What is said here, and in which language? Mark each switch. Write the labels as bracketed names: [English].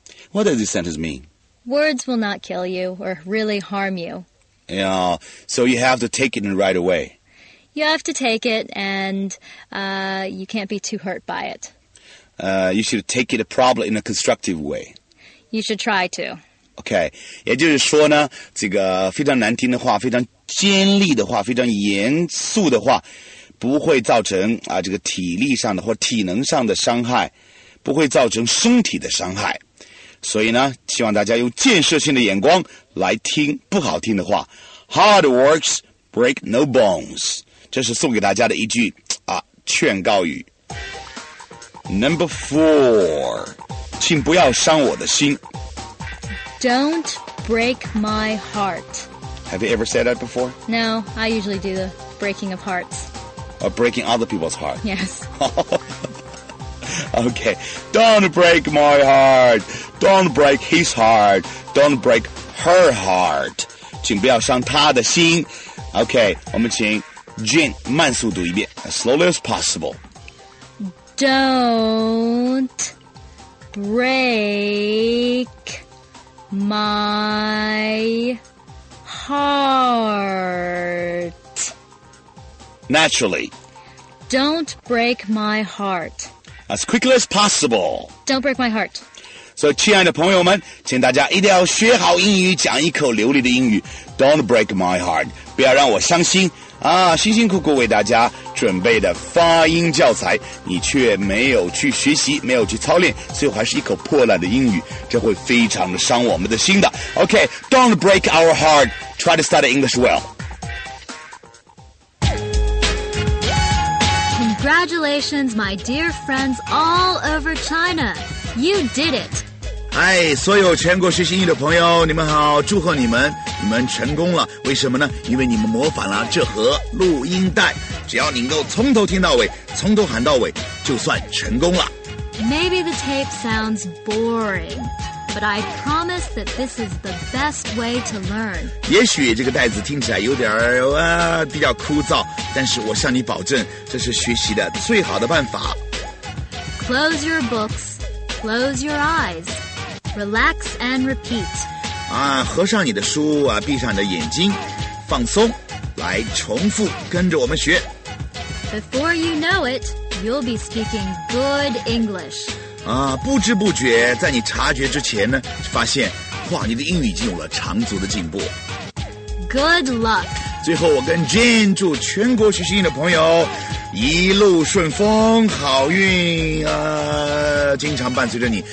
[English] What does this sentence mean? Words will not kill you or really harm you. Yeah, so you have to take it in right away. You have to take it and you can't be too hurt by it. You should take it probably in a constructive way. You should try to. Okay. [Chinese] 也就是说呢，这个非常难听的话，非常尖利的话，非常严肃的话，不会造成这个体力上的或体能上的伤害，不会造成身体的伤害。所以呢，希望大家用建设性的眼光来听不好听的话。 [English] Hard words break no bones. [Chinese] 这是送给大家的一句劝告语。 [English] Number four, [Chinese] 请不要伤我的心。 [English] Don't break my heart. Have you ever said that before? No, I usually do the breaking of hearts. Or breaking other people's heart. Yes. Okay, don't break my heart. Don't break his heart. Don't break her heart. [Chinese] 请不要伤他的心。 Okay, 我们请 Jean 慢速读一遍 , [English] as slowly as possible. Don't break my heart. Naturally. Don't break my heart. as quickly as possible. Don't break my heart. [Chinese] 所以，亲爱的朋友们，请大家一定要学好英语，讲一口流利的英语。 [English] Don't break my heart. [Chinese] 不要让我伤心啊！辛辛苦苦为大家准备的发音教材，你却没有去学习，没有去操练，所以还是一口破烂的英语，这会非常的伤我们的心的。 [English] Okay, don't break our heart. Try to study English well. Congratulations, my dear friends all over China. You did it. [Chinese] Hi, 所有全国学习英语的朋友，你们好，祝贺你们，你们成功了。为什么呢？因为你们模仿了这盒录音带。只要你能够从头听到尾，从头喊到尾，就算成功了。 [English] Maybe the tape sounds boring, but I promise that this is the best way to learn. [Chinese] 也许这个袋子听起来有点比较枯燥。但是我向你保证，这是学习的最好的办法。 [English] Close your books, close your eyes, relax and repeat. [Chinese] 啊，合上你的书啊，闭上你的眼睛，放松，来重复，跟着我们学。 [English] Before you know it, you'll be speaking good English. [Chinese] 啊，不知不觉，在你察觉之前呢，发现，哇，你的英语已经有了长足的进步。 [English] Good luck. [Chinese] 最后我跟 Jane 祝全国学习英语的朋友一路顺风好运啊，经常伴随着你。